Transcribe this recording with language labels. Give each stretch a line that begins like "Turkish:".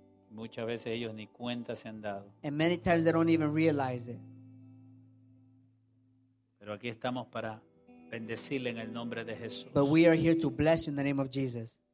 Spanish: Muchas veces ellos ni cuenta se han dado.
English: And many times they don't even realize it.
Spanish: Pero aquí estamos para bendecirle en el nombre de Jesús.
English: But we are here to bless you in the name of Jesus.